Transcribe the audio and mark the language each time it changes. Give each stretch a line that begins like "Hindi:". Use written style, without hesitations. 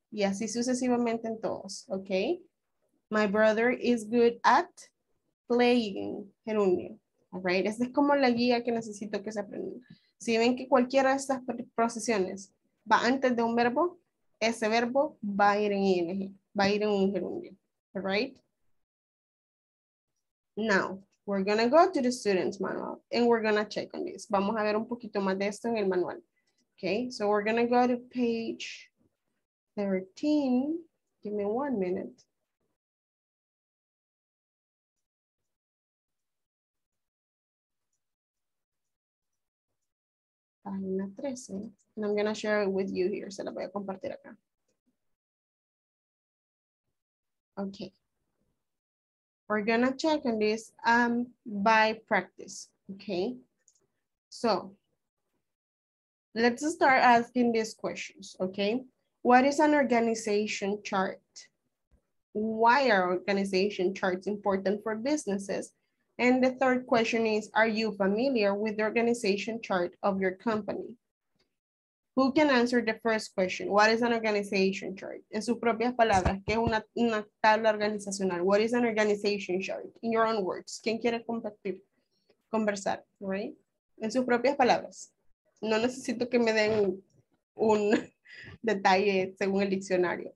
Spanish: Y así sucesivamente en todos.
English: Ok. My brother is good at playing gerundio. All right.
Spanish: Esta es como la guía que necesito que se aprenda. Si ven que cualquiera de estas preposiciones va antes de un verbo, ese verbo va a ir en ing, va a ir en un gerundio.
English: All right? Now, we're going to go to the student's manual and we're going to check on this.
Spanish: Vamos a ver un poquito más de esto en el manual.
English: Okay, so we're going to go to page 13. Give me 1 minute.
Spanish: Página 13.
English: And I'm going to share it with you here.
Spanish: Se la voy a compartir acá.
English: Okay. We're going to check on this by practice. Okay. So, let's start asking these questions. Okay. What is an organization chart? Why are organization charts important for businesses? And the third question is, are you familiar with the organization chart of your company? Who can answer the first question? What is an organization chart?
Spanish: En sus propias palabras, ¿qué es una tabla organizacional?
English: What is an organization chart? In your own words.
Spanish: ¿Quién quiere conversar?
English: Right?
Spanish: En sus propias palabras. No necesito que me den un detalle según el diccionario.